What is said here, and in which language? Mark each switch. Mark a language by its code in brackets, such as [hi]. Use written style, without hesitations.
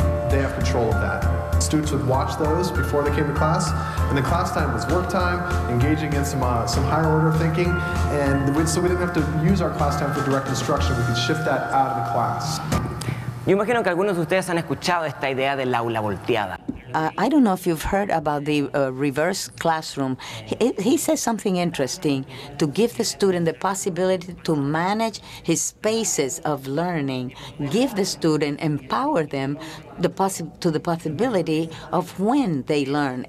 [en] They have control of that. Students would watch those before they came to class, and the class time was work time, engaging in some higher order thinking, and so we didn't have to use our class time for direct instruction, we could shift that out of the class. [es] Yo imagino que algunos de ustedes han escuchado esta idea del aula volteada. [en] I don't know if you've heard about the reverse classroom. He says something interesting, to give the student the possibility to manage his spaces of learning, give the student, empower them to the possibility of when they learn.